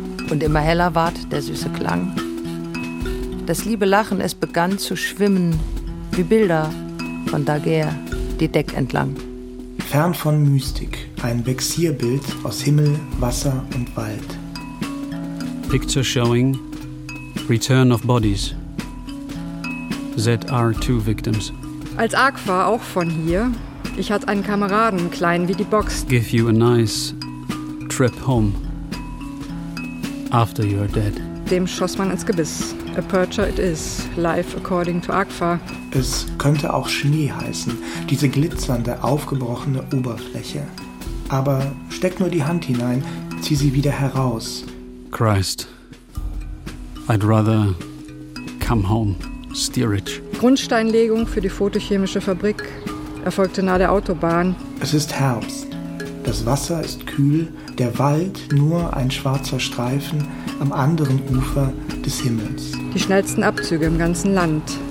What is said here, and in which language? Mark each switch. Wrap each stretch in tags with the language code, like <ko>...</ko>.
<de>Und immer heller ward der süße Klang. Das liebe Lachen, es begann zu schwimmen, wie Bilder von Daguerre die Deck entlang. Fern von Mystik, ein Vexierbild aus Himmel, Wasser und Wald.</de> <en>Picture showing Return of Bodies. ZR2 Victims.</en> <de>Als Arc war auch von hier. Ich hatte einen Kameraden, klein wie die Box.</de> <en>Give you a nice trip home. After you're dead.</en> <de>Dem schoss man ins Gebiss.</de> <en>A Percher it is, life according to Agfa.</en> <de>Es könnte auch Schnee heißen, diese glitzernde, aufgebrochene Oberfläche. Aber steck nur die Hand hinein, zieh sie wieder heraus.</de> <en>Christ, I'd rather come home, steerage.</en> <de>Grundsteinlegung für die photochemische Fabrik erfolgte nahe der Autobahn. Es ist Herbst. Das Wasser ist kühl, der Wald nur ein schwarzer Streifen am anderen Ufer des Himmels. Die schnellsten Abzüge im ganzen Land.</de>